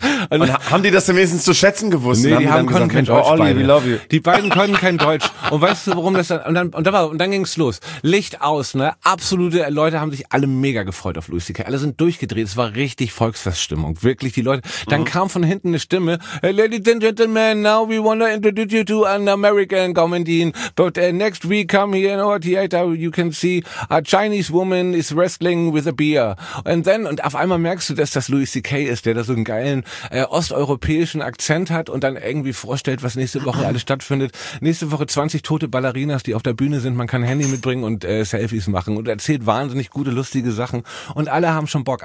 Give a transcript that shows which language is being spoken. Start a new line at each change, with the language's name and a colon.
German: Und haben die das wenigstens zu schätzen gewusst? Nee, die haben kein Deutsch.
English: Oh, Olli, we love you.
German: Die beiden können kein Deutsch. Und weißt du, warum das dann? Und dann ging's los. Licht aus, ne? Absolute Leute haben sich alle mega gefreut auf Louis C.K. Alle sind durchgedreht. Es war richtig Volksfeststimmung. Wirklich die Leute. Dann kam von hinten eine Stimme.
English: Hey, ladies and gentlemen, now we want to introduce you to an American comedy. But next week come here in our theater, you can see a Chinese woman is wrestling with a beer.
German: Und auf einmal merkst du, dass das Louis C.K. ist, der da so einen geilen osteuropäischen Akzent hat und dann irgendwie vorstellt, was nächste Woche alles stattfindet. Nächste Woche 20 tote Ballerinas, die auf der Bühne sind. Man kann Handy mitbringen und Selfies machen und erzählt wahnsinnig gute, lustige Sachen und alle haben schon Bock.